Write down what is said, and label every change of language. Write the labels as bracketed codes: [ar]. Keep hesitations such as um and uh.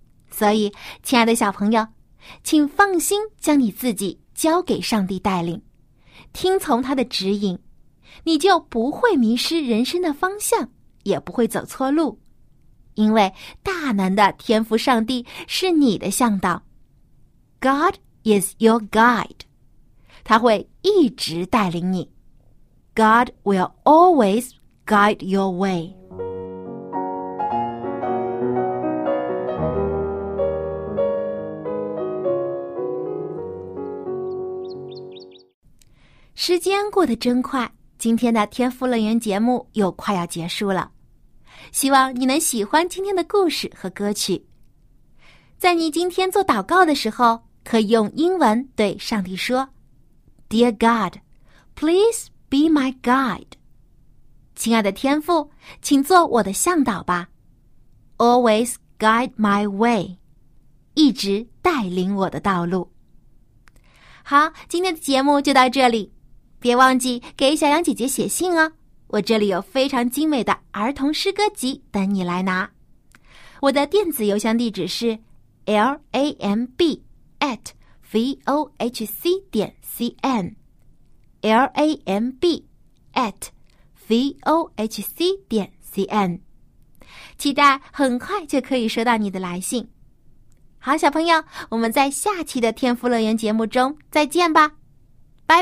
[zh] 所以，亲爱的小朋友，请放心将你自己交给上帝带领，听从他的指引，你就不会迷失人生的方向，也不会走错路。因为大能的天父上帝是你的向导， [en] God is your guide， [zh] 他会一直带领你。 [en] God will always guide your way. [zh] 时间过得真快，今天的天赋乐园节目又快要结束了。希望你能喜欢今天的故事和歌曲。在你今天做祷告的时候，可以用英文对上帝说： [en] “Dear God, please。 ” Be my guide， [zh] 亲爱的天父，请做我的向导吧。 [en] Always guide my way， [zh] 一直带领我的道路。好，今天的节目就到这里，别忘记给小羊姐姐写信哦。我这里有非常精美的儿童诗歌集等你来拿。我的电子邮箱地址是 l a m b at v o h c 点 c n。 L A M B at v o h c 点 c n，期待很快就可以收到你的来信。好，小朋友，我们在下期的《天赋乐园》节目中再见吧，拜